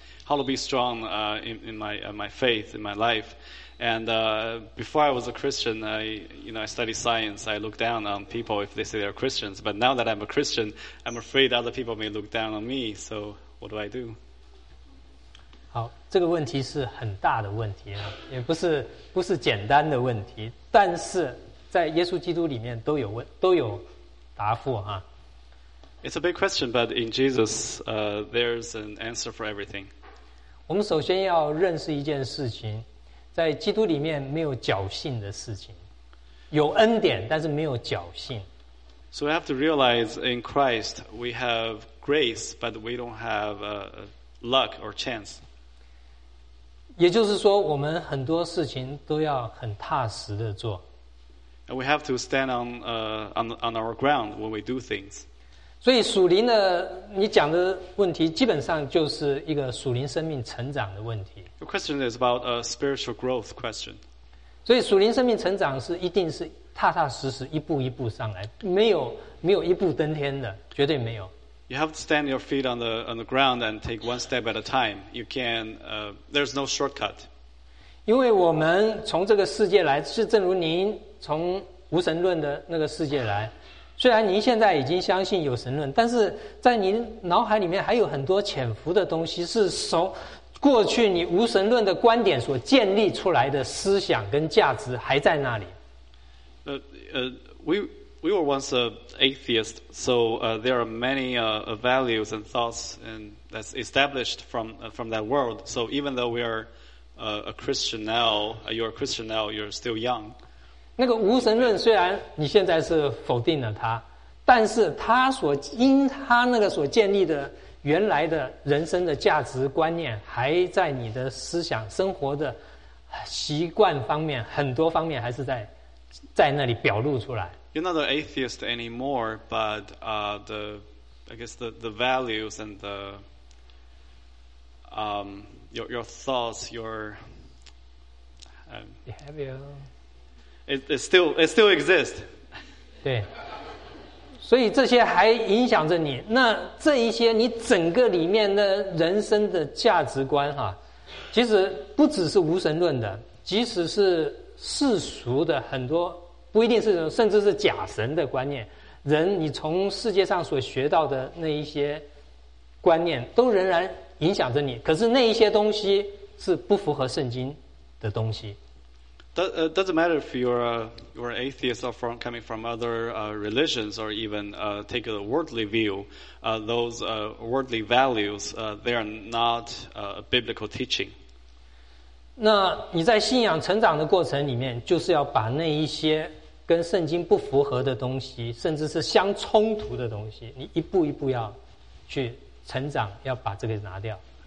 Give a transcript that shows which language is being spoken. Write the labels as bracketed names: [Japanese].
[English] how to be strong in my faith, in my life. And before I was a Christian, I studied science. I looked down on people if they say they're Christians. But now that I'm a Christian, I'm afraid other people may look down on me. So what do I do? [Chinese] 好，这个问题是很大的问题啊，也不是简单的问题，但是在耶稣基督里面都有答复啊。 [English] It's a big question, but in Jesus, there's an answer for everything. [Chinese] 我们首先要认识一件事情，在基督里面没有侥幸的事情，有恩典，但是没有侥幸。 [English] So we have to realize in Christ we have grace, but we don't have luck or chance. [Chinese] 也就是说，我们很多事情都要很踏实的做。 [English] And we have to stand on our ground when we do things. [Chinese] 所以属灵的，你讲的问题基本上就是一个属灵生命成长的问题。 [English] The question is about a spiritual growth question. [Chinese] 所以属灵生命成长是一定是踏踏实实一步一步上来，没有一步登天的，绝对没有。 [English] You have to stand your feet on the ground and take one step at a time. You can, there's no shortcut. [Chinese] 因为我们从这个世界来，是正如您从无神论的那个世界来。虽然您现在已经相信有神论，但是在您脑海里面还有很多潜伏的东西，是从过去你无神论的观点所建立出来的思想跟价值还在那里。 [English] We were once an atheist, so there are many values and thoughts and that's established from that world. So even though we are a Christian now, you're a Christian now, you're still young. [Chinese] 那个无神论虽然你现在是否定了它，但是它所因它那个所建立的原来的人生的价值观念还在你的思想生活的习惯方面很多方面还是在那里表露出来。 [English] You're not an atheist anymore, but the values and the your thoughts, behavior, it still exists. [Chinese] 对，所以这些还影响着你。那这一些你整个里面的人生的价值观哈，其实不只是无神论的，即使是世俗的很多。不一定是甚至是假神的观念，人你从世界上所学到的那一些观念都仍然影响着你，可是那一些东西是不符合圣经的东西。 [English] Doesn't matter if you're an atheist or coming from other religions or even take a worldly view, those worldly values they are not biblical teaching. [Chinese] 那你在信仰成长的过程里面，就是要把那一些跟圣经不符合的东西，甚至是相冲突的东西，你一步一步要去成长，要把这个拿掉。